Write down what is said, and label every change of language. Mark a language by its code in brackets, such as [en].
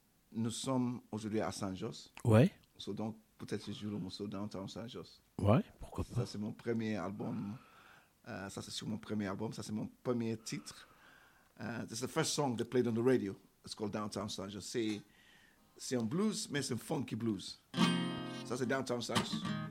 [fr] Nous sommes aujourd'hui à Saint-Jos. Ouais. Donc, peut-être que je joue le morceau Downtown Saint-Jos. Ouais, pourquoi pas. Ça, c'est mon premier album. Ça, c'est sur mon premier album. Ça, c'est mon premier titre. C'est le [en] first song that played on the radio. It's called Downtown Saint-Jos. [fr] C'est un blues, mais c'est un funky blues. Ça, c'est Downtown Saint-Jos.